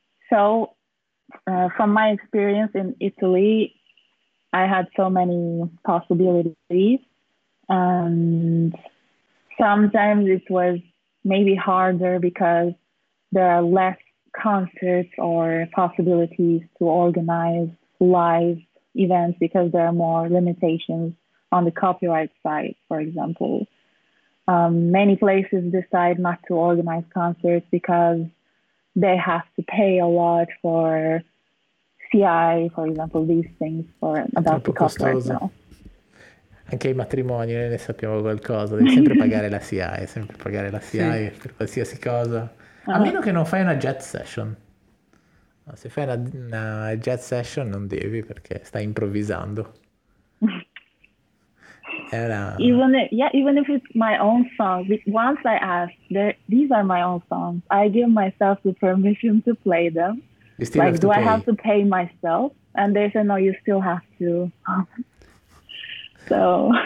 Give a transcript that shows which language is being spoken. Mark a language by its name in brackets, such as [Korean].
[English] So from my experience in Italy, I had so many possibilities, and sometimes it was maybe harder because there are less concerts or possibilities to organize live events because there are more limitations on the copyright side, for example. Many places decide not to organize concerts because they have to pay a lot for CI, for example, these things for about the copyright. No. [Italian] Anche i matrimoni, noi ne sappiamo qualcosa, devi sempre pagare la CI, sempre pagare la CI sì. Per qualsiasi cosa. A meno che non fai una jet session. No, se fai una jet session non devi, perché stai improvvisando. [English] Even if it's my own song, once I ask, these are my own songs, I give myself the permission to play them. You still like, have to do pay. I have to pay myself? And they say, no, you still have to. So.